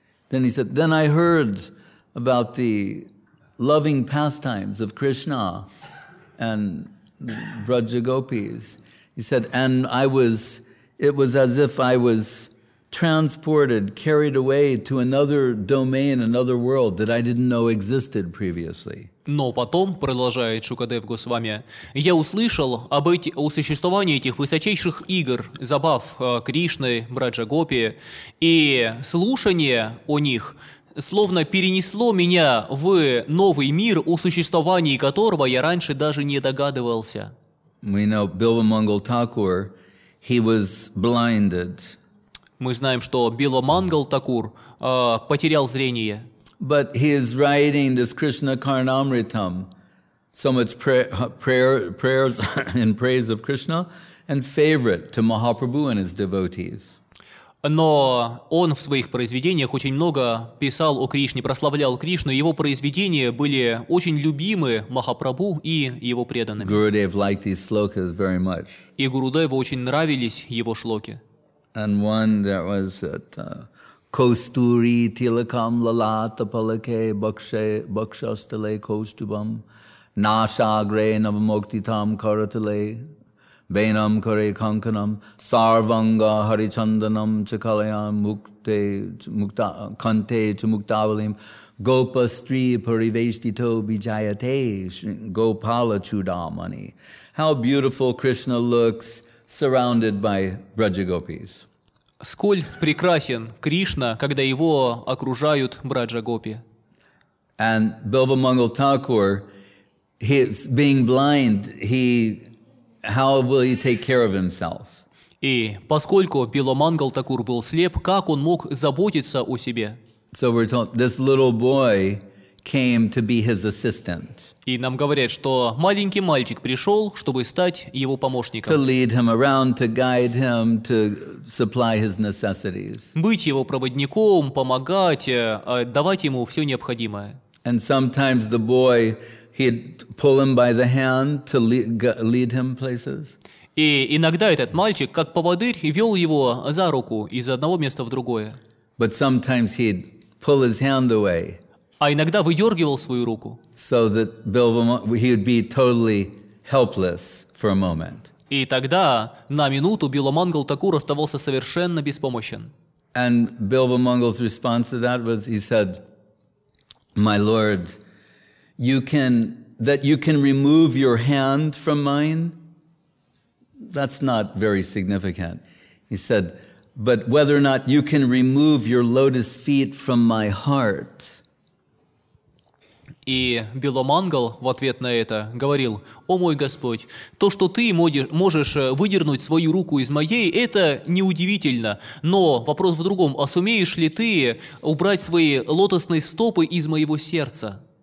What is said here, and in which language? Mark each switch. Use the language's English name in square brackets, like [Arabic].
[English] Then he said, then I heard about the loving pastimes of Krishna and Brajagopis. He said, and it was as if I was transported, carried away to another domain, another world that I didn't know existed previously. [Russian] Но потом, продолжает Шукадев Госвами, я услышал об о существовании этих высочайших игр, забав Кришны, Браджа Гопи, и слушание о них словно перенесло меня в новый мир, о существовании которого я раньше даже не догадывался. [English] We know Bilwa Mangal Thakur, he was blinded. [Russian] Мы знаем, что Билва Мангал Такур потерял зрение. [English] But he is writing this Krishna Karnamritam, so much prayers in praise of Krishna and favorite to Mahaprabhu and his devotees. [Russian] Но он в своих произведениях очень много писал о Кришне, прославлял Кришну. Его произведения были очень любимы Махапрабху и его преданными. [English] Gurudev liked these slokas very much. [Russian] И Гурудеву очень нравились его шлоки. [English] And one that was at [Sanskrit] Kosturi Tilakam Lalata Palake Bakshe Bakshastale Kostubam Nashagre Navamoktitam Karatale Bainam Kare Kankanam Sarvanga Harichandanam Chakalayam Mukte Mukta Kante Chumuktavalim Gopastri Parivestito Bijayate Gopala Chudamani. [English] How beautiful Krishna looks surrounded by Brajagopis. [Russian] Сколь прекрасен Кришна, когда его окружают Браджа-гопи. [English] And Bilwa Mangal Thakur, he is being blind, how will he take care of himself? [Russian] И поскольку Bilwa Mangal Thakur был слеп, как он мог заботиться о себе? [English] So we're told this little boy came to be his assistant. [Russian] И нам говорят, что маленький мальчик пришел, чтобы стать его помощником. [English] To lead him around, to guide him, to supply his necessities. [Russian] Быть его проводником, помогать, давать ему все необходимое. [English] And sometimes the boy, he'd pull him by the hand to lead him places. [Russian] И иногда этот мальчик, как поводырь, вел его за руку из одного места в другое. [English] But sometimes he'd pull his hand away. [Russian] А иногда выдергивал свою руку. [English] So that Bilwa, he would be totally helpless for a moment. [Russian] И тогда на минуту Bilwa Mangal Thakur оставался совершенно беспомощен. [English] And Bilwa Mangal's response to that was, he said, "My Lord, you can remove your hand from mine. That's not very significant." He said, "But whether or not you can remove your lotus feet from my heart." [Russian] И Bilwa Mangal в ответ на это говорил: «О мой Господь, то, что ты можешь выдернуть свою руку из моей, это неудивительно, но вопрос в другом, а сумеешь ли ты убрать свои лотосные стопы из моего сердца?»